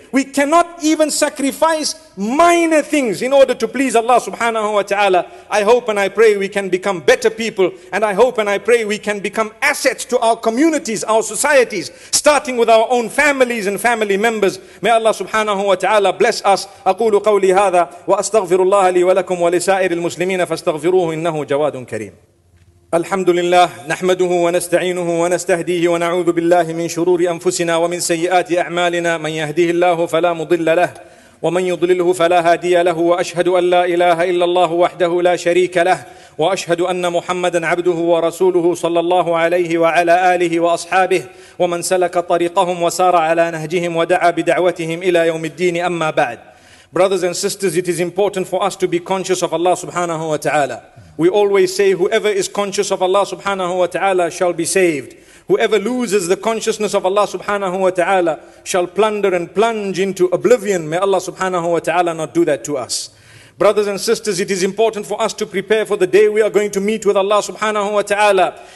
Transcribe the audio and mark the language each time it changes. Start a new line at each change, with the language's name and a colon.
English: We cannot even sacrifice minor things in order to please Allah subhanahu wa ta'ala. I hope and I pray we can become better people. And I hope and I pray we can become assets to our communities, our societies, starting with our own families and family members. May Allah subhanahu wa ta'ala bless us.
Arabic: أقول قولي هذا وأستغفر الله لي ولكم ولسائر المسلمين فاستغفروه إنه جواد كريم. الحمد لله نحمده ونستعينه ونستهديه ونعوذ بالله من شرور أنفسنا ومن سيئات أعمالنا من يهده الله فلا مضل له ومن يضلله فلا هادي له وأشهد أن لا إله إلا الله وحده لا شريك له وأشهد أن محمدا عبده ورسوله صلى الله عليه وعلى آله وأصحابه ومن سلك طريقهم وسار على نهجهم ودعا بدعوتهم إلى يوم الدين أما بعد.
English: Brothers and sisters, it is important for us to be conscious of Allah subhanahu wa ta'ala. We always say, whoever is conscious of Allah subhanahu wa ta'ala shall be saved. Whoever loses the consciousness of Allah subhanahu wa ta'ala shall plunder and plunge into oblivion. May Allah subhanahu wa ta'ala not do that to us. Brothers and sisters, it is important for us to prepare for the day we are going to meet with Allah subhanahu wa ta'ala.